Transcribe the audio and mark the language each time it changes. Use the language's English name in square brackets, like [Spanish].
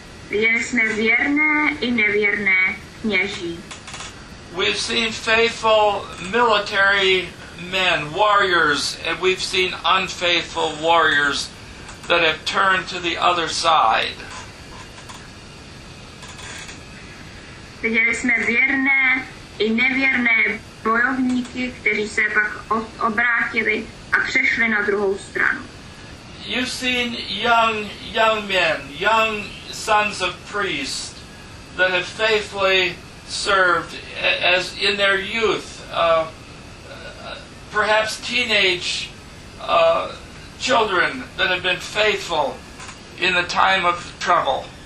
[Czech] Viděli jsme věrné i nevěrné kněží. [English] We've seen faithful military men, warriors, and we've seen unfaithful warriors that have turned to the other side. [Czech] Viděli jsme věrné i nevěrné bojovníky, kteří se pak obrátili a přešli na druhou stranu. [English] You've seen young men, young sons of priests that have faithfully served as in their youth, perhaps teenage children that have been faithful in the time of trouble.